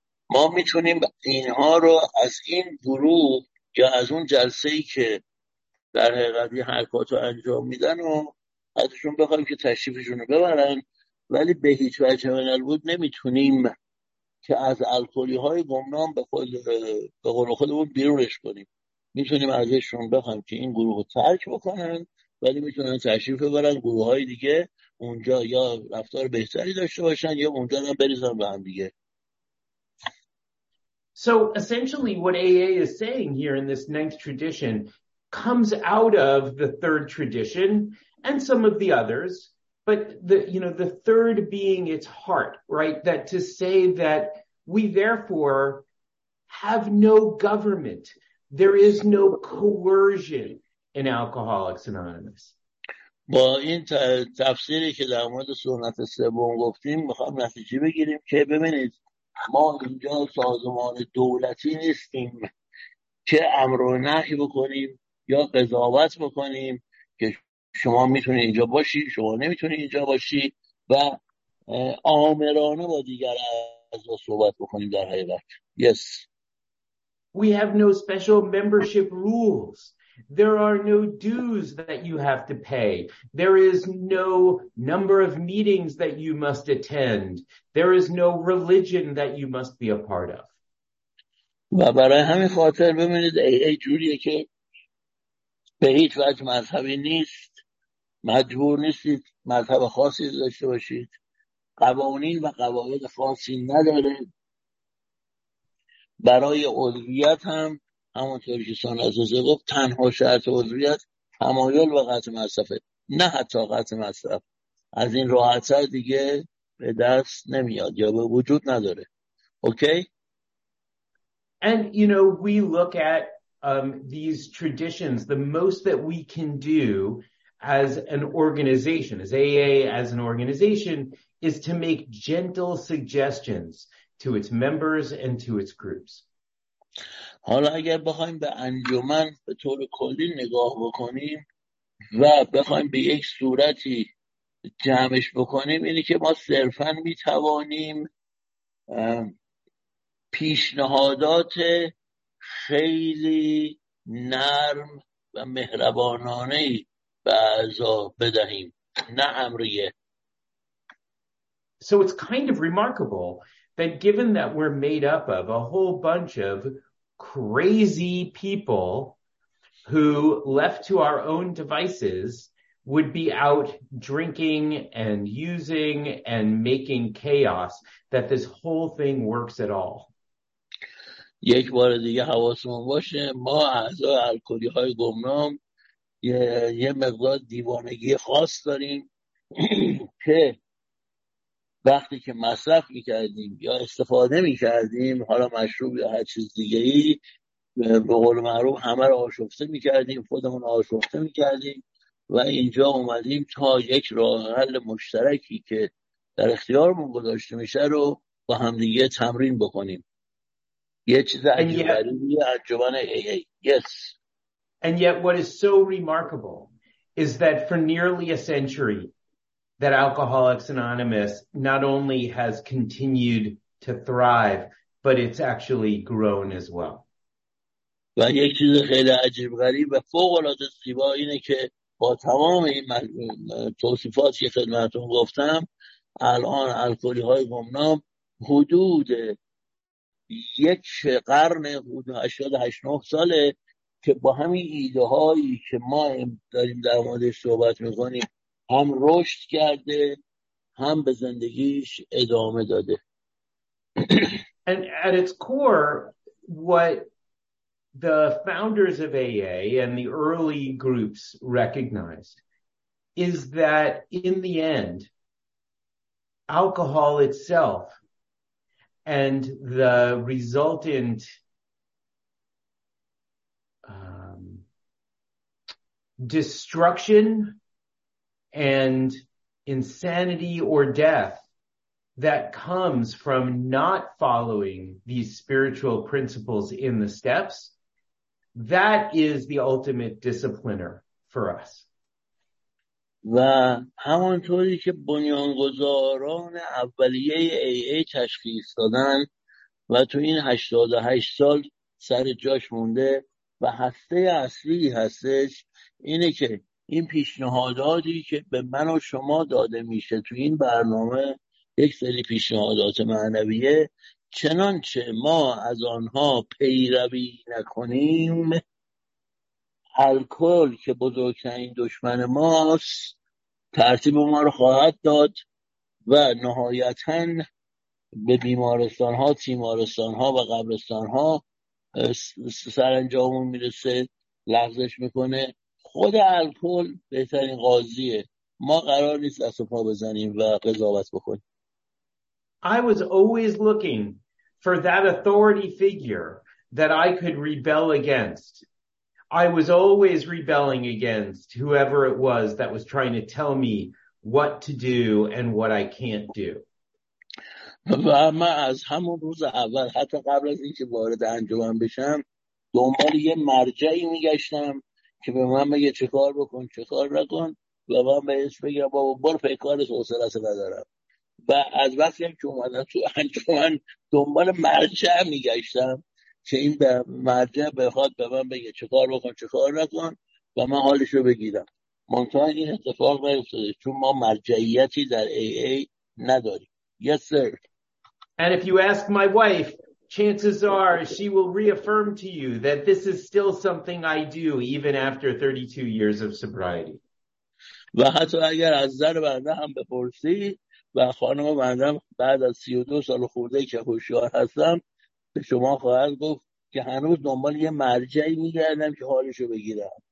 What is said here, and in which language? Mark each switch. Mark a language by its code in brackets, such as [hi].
[fa] ما میتونیم اینها رو از این گروه یا از اون جلسه‌ای که در حقیقت یه حرکات رو انجام میدن و ازشون بخوایم که تشریفشون رو ببرن، ولی به هیچ وجه من البود نمیتونیم که از الکلی‌های گمنام به قول خودمون بیرونش کنیم. میتونیم ازشون بخوایم که این گروه رو ترک بکنن، ولی میتونن تشریف ببرن گروه های دیگه، اونجا یا رفتار بهتری داشته باشن یا اونجا هم بریزن به هم دیگه. [en] So essentially what AA is saying here in this ninth tradition comes out of the third tradition and some of the others, but the third being its heart, right? That to say that we therefore have no government. There is no coercion in Alcoholics Anonymous. [fa] با این تفسیری که در مورد سنت سوم گفتیم میخوام نتیجه بگیریم که ببینید ما اینجا سازمان دولتی نیستیم که امر و نهی بکنیم یا قضاوت بکنیم که شما میتونی اینجا باشی، شما نمیتونی اینجا باشی، و آمرانه با دیگر اعضا صحبت بکنیم در حقیقت. [en] Yes. We have no special membership rules. There are no dues that you have to pay. There is no number of meetings that you must attend. There is no religion that you must be a part of. [fa] و برای همین خاطر ببینید AA جوریه که به هیچ وجه مذهبی نیست، مجبور نیستید مذهب خاصی داشته باشید، قوانین و قواعد خاصی نداره. برای عضویت هم همونطوری که سان عزیزه گفت تنها شرط عضویت تمایل و قطع مصرفه، نه حتی قطع مصرف. از این راحت‌تر دیگه به دست نمیاد یا به وجود نداره. اوکی؟ [en] And we look at these traditions, the most that we can do as an organization, as AA as an organization, is to make gentle suggestions to its members and to its groups. [fa] حالا اگر بخوایم به انجمن به طور کلی نگاه بکنیم و بخوایم به یک صورتی جمعش بکنیم، اینی که ما صرفا میتوانیم پیشنهادات خیلی نرم و مهربانانه به اعضا بدهیم، نه امریه. [en] So it's kind of remarkable that given that we're made up of a whole bunch of crazy people who, left to our own devices, would be out drinking and using and making chaos, that this whole thing works at all. [fa] یک بار دیگه حواسمون باشه ما اعضای الکلی‌های گمنام یه مقدار دیوانگی خاص داریم که وقتی که مصرف میکردیم یا استفاده میکردیم، حالا مشروب یا هر چیز دیگه ای، به قول معروف همه رو آشفته میکردیم، خودمون آشفته میکردیم و اینجا اومدیم تا یک راه حل مشترکی که در اختیارمون گذاشته میشه رو با همدیگه تمرین بکنیم. یه چیز عجیبی انجمن AA. [en] Yes. And yet what is so remarkable is that for nearly a century that Alcoholics Anonymous not only has continued to thrive, but it's actually grown as well. [fa] و یک چیز خیلی عجیب غریب و فوق‌العاده زیبا اینه که با تمام این توصیفاتی که خدمتون گفتم، الان الکلی‌های گمنام حدود یک قرن، حدود 88-89 ساله که با همین ایده‌هایی که ما داریم در موردش صحبت می‌کنیم هم رشد کرده هم به زندگیش ادامه داده. [en] And at its core, what the founders of AA and the early groups recognized is that in the end, alcohol itself and the resultant destruction and insanity or death that comes from not following these spiritual principles in the steps, that is the ultimate discipliner for us. [fa] و همانطوری که بنیانگذاران اولیه AA تشخیص دادن و تو این 88 سال سر جاش مونده و هسته اصلی هستش اینه که این پیشنهاداتی که به من و شما داده میشه تو این برنامه یک سری پیشنهادات معنویه چنانچه ما از آنها پیروی نکنیم الکل که بزرگترین دشمن ماست ترتیب ما رو خواهد داد و نهایتاً به بیمارستان‌ها، تیمارستان‌ها و قبرستان‌ها سرانجام میرسه، لغزش میکنه. خود الکل بهترین قاضیه. ما قرار نیست دست و پا بزنیم و قضاوت بکنیم. [en] I was always looking for that authority figure that I could rebel against. I was always rebelling against whoever it was that was trying to tell me what to do and what I can't do. [fa] و من از همون روز اول حتی قبل از اینکه وارد انجمن بشم دنبال یه مرجعی میگشتم که به من بگه چه کار بکن چه کار نکن و من بهش بگم بابا برو پیکارت حوصله سر ندارم و از وقتی هم که اومدم تو انجمن دنبال مرجع میگشتم که این به مرجع بخواد به من بگه چه کار بکن چه کار نکن و من حالش رو بگیرم. منطقه این اتفاق نیفتاده چون ما مرجعیتی در AA نداریم. [en] Yes, sir. And if you ask my wife, chances are she will reaffirm to you that this is still something I do even after 32 years of sobriety. [fa] و حتی اگر از زن بنده هم بپرسی و خانم بنده بعد از 32 سال خورده که هوشیار هستم به شما خواهد گفت که هنوز دنبال یه مرجعی میگردم که حالشو بگیرم.